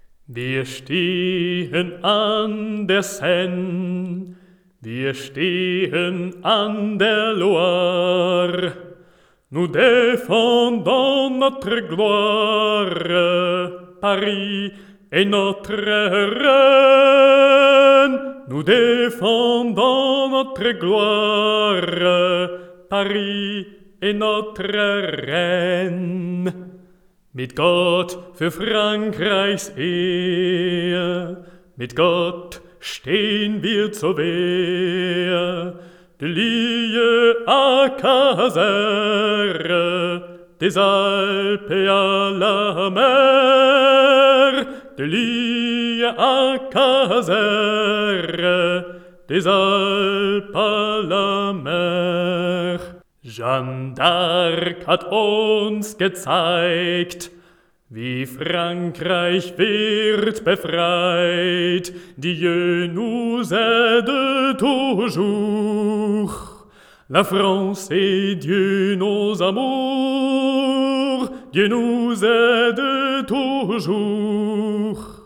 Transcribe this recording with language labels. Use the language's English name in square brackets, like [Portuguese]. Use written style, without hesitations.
[German] Wir stehen an der Seine, wir stehen an der Loire. [French] Nous défendons notre gloire, Paris et notre reine. Nous défendons notre gloire, Paris et notre reine. [German] Mit Gott für Frankreichs Ehe, mit Gott stehen wir zur Wehr. [French] De Lille à Caserre, des Alpes à la mer. De Lille à Caserre, des Alpes à la mer. [German] Jeanne d'Arc hat uns gezeigt, wie Frankreich wird befreit, [French] Dieu nous aide toujours. La France est Dieu nos amours, Dieu nous aide toujours.